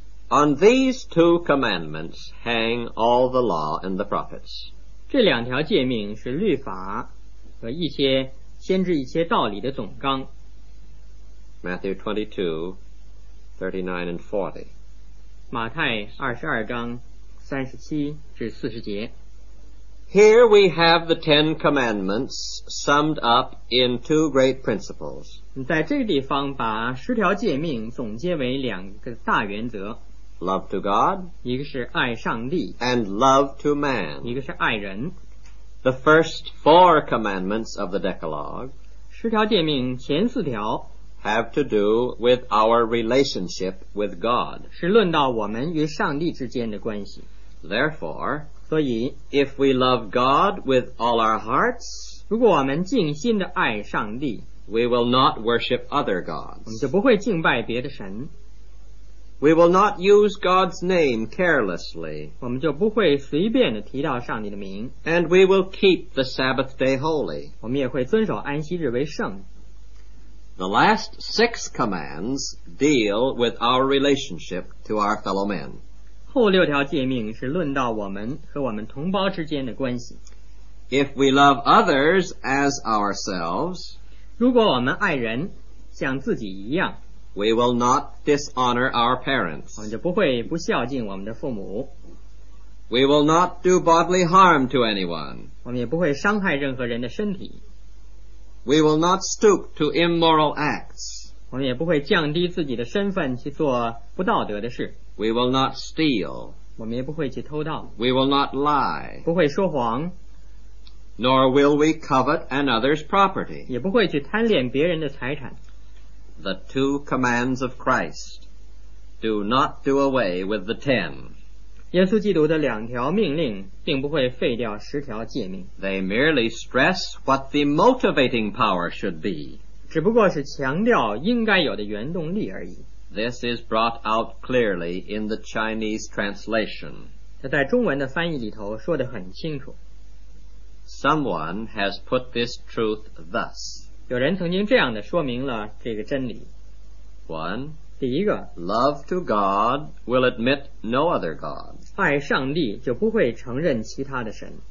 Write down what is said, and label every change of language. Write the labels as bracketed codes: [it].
[en] On these two commandments hang all the law and the prophets. [zh] 这两条诫命是律法和一些先知一些道理的总纲。 [en] Matthew 22:39-40. [zh] 马太22:37-40. [en] Here we have the Ten Commandments summed up in two great principles. [zh] 在这个地方把十条诫命总结为两个大原则。 [en] Love to God. [zh] 一个是爱上帝。 [en] And love to man. [zh] 一个是爱人。 [en] The first four commandments of the Decalogue. [zh] 十条诫命前四条。 [en] Have to do with our relationship with God. [zh] 是论到我们与上帝之间的关系。 [en] Therefore, [zh] 所以 [en] if we love God with all our hearts, [zh] 如果我们尽心地爱上帝, [en] we will not worship other gods. [zh] 我们就不会敬拜别的神。 [en] We will not use God's name carelessly. [zh] 我们就不会随便地提到上帝的名。 [en] And we will keep the Sabbath day holy. [zh] 我们也会遵守安息日为圣。 [en] The last six commands deal with our relationship to our fellow men. [zh] 后六条诫命是论到我们和我们同胞之间的关系。 [en] If we love others as ourselves, [zh] 如果我们爱人像自己一样。 [en] We will not dishonor our parents. [zh] 我们就不会不孝敬我们的父母。 [en] We will not do bodily harm to anyone. [zh] 我们也不会伤害任何人的身体。 [en] We will not stoop to immoral acts. [zh] 我们也不会降低自己的身份去做不道德的事。 [en] We will not steal. [zh] 我们也不会去偷盗。 [en] We will not lie. [zh] 不会说谎。 [en] Nor will we covet another's property. [zh] 也不会去贪恋别人的财产。 [en] The two commands of Christ do not do away with the ten. [zh] 耶稣基督的两条命令并不会废掉十条诫命。 [en] They merely stress what the motivating power should be. [zh] 只不过是强调应该有的原动力而已。 [en] This is brought out clearly in the Chinese translation. [zh] 这在中文的翻译里头说得很清楚。 [en] Someone has put this truth thus. [zh] 有人曾经这样的说明了这个真理。 [en] One, [zh] 第一个， [en] Love to God will admit no other God. [zh] 爱上帝就不会承认其他的神。